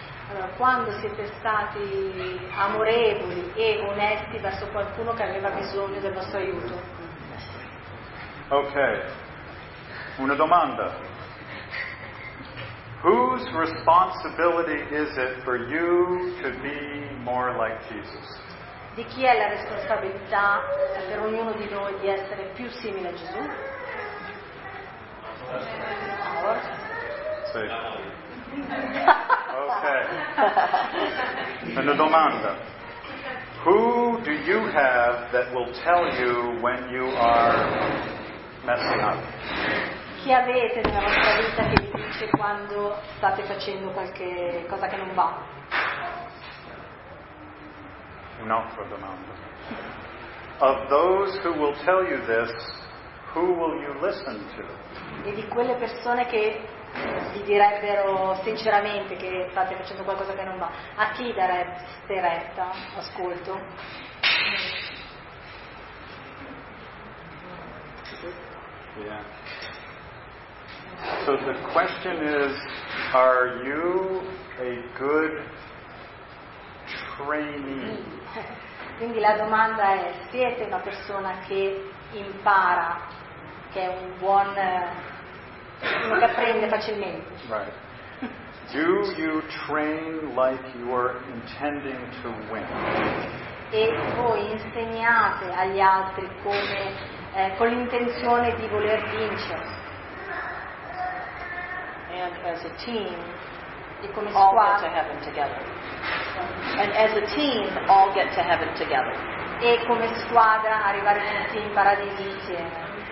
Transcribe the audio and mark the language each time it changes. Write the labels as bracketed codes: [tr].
[it] Allora, quando siete stati amorevoli e onesti verso qualcuno che aveva bisogno del vostro aiuto? Ok, una domanda. [en] Whose responsibility is it for you to be more like Jesus? [it] Di chi è la responsabilità per ognuno di noi di essere più simile a Gesù? Sì. Ok. Una domanda. [en] Who do you have that will tell you when you are messing up? [it] Chi avete nella vostra vita che vi dice quando state facendo qualche cosa che non va? [en] not for the mountain. Of those who will tell you this, who will you listen to? [it] E di quelle persone che vi direbbero sinceramente che state facendo qualcosa che non va, a chi dareste retta, ascolto? [en] Yeah. So the question is, are you a good trainee? [it] Quindi la domanda è, siete una persona che impara, che è un buon, uno che apprende facilmente? [en] Right. Do you train like you are intending to win? [it] E voi insegnate agli altri come con l'intenzione di voler vincere? [en] And as a team, [it] e come [en] all [it] squadra, [en] get to heaven together. And as a team, all get to heaven together. [it] E come squadra arrivare tutti in paradiso insieme.